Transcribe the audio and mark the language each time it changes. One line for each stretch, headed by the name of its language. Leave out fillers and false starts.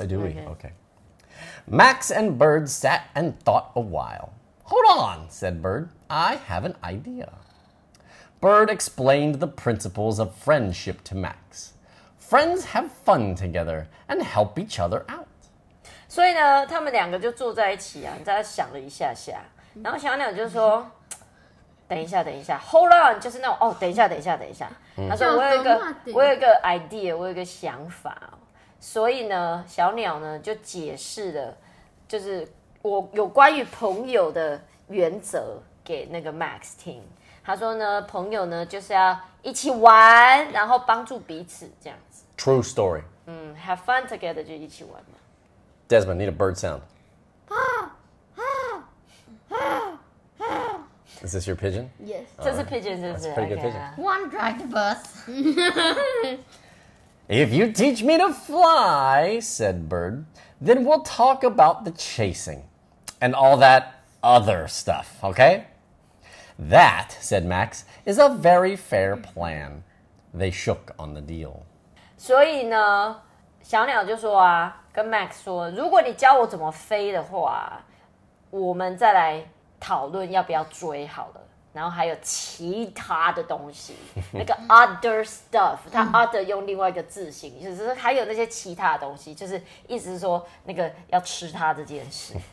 English: Do we? Okay. Max and Bird sat and thought a while. Hold on, said Bird. I have an idea. Bird explained the principles of friendship to Max. Friends have fun together and help each other out.
Chinese: 所以呢，他们两个就坐在一起啊，在想了一下下，然后小鸟就说：“等一下，等一下 ，
English: Hold on，
Chinese: 就是那种哦，等一下，等一下，等一下。” 他说：“我有一个 idea， 我有一个想法。” 所以呢，小鸟呢就解释了，就是我有关于朋友的原则给那个 Max 听。他说呢，朋友呢就是要一起玩，然后帮助彼此这样子。
English: True story. Have fun together
Chinese: 就一起玩嘛。
English: Desmond, need a bird sound. Is this your pigeon? Yes.
Chinese: 这是 pigeon, 是不是？
English: That's a pretty good pigeon. One drive the bus. If you teach me to fly, said Bird, then we'll talk about the chasing and all that other stuff, okay? That, said Max, is a very fair plan. They shook on the deal.
Chinese: 所以呢，小鸟就说啊，跟 Max 说，如果你教我怎么飞的话，我们再来讨论要不要追好了。然后还有其他的东西，那个
English: other stuff，
Chinese: 它 other 用另外一个字形，就是还有那些其他的东西，就是意思是说那个要吃它这件事。